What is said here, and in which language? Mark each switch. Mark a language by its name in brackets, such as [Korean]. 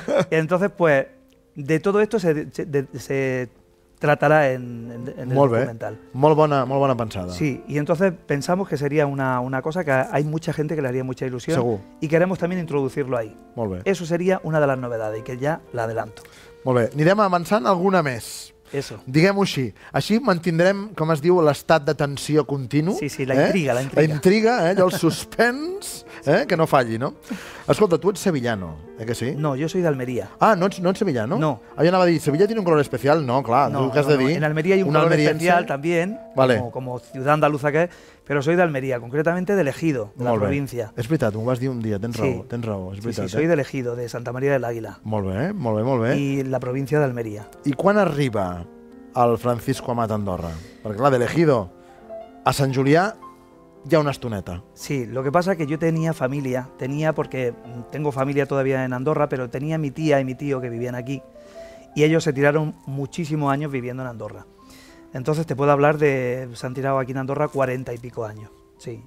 [Spanish] Entonces, pues de todo esto se tratará en el documental. [Catalan] Molt bona pensada. [Spanish] Sí, y entonces pensamos que sería una cosa que hay mucha gente que le haría mucha ilusión. [Catalan] Segur. [Spanish] Y queremos también introducirlo ahí. [Catalan] Molt bé. [Spanish] Eso sería una de las novedades, que ya la adelanto. [Catalan] Molt bé. Anirem avançant alguna més. [Spanish] Eso. [Catalan] Diguem-ho així. Així mantindrem, com es diu, l'estat de tensió continu. Sí, sí, la intriga, la intriga. La intriga, allò, el suspens, que no falli, no? Escolta, tu ets sevillano, eh que sí? [Spanish] No, yo soy de Almería. [Catalan] Ah, no ets sevillano? No. Ah, jo anava a dir, [Spanish] Sevilla tiene un color especial? [Catalan] No, clar, no, tu què has de dir? [Spanish] En Almería hay un color almeriense? Especial también, vale. como ciudad andaluza que es, pero soy de Almería, concretamente de Ejido, de la [Catalan] bé. [Spanish] Provincia. [Catalan] És veritat, m'ho vas dir un dia, tens sí. raó, tens raó. És veritat, [Spanish] sí, sí, soy de Ejido, de Santa María del Águila. [Catalan] Molt bé, molt bé, molt bé. [Spanish] Y la provincia de Almería. [Catalan] I quan arriba el Francisco Amat a Andorra? Perquè clar, de Ejido a Sant Julià... [Spanish] Ya una estoneta. Sí, lo que pasa es que yo tenía familia, tenía porque tengo familia todavía en Andorra, pero tenía mi tía y mi tío que vivían aquí y ellos se tiraron muchísimos años viviendo en Andorra. Entonces te puedo hablar de, se han tirado aquí en Andorra 40 y pico años. Sí,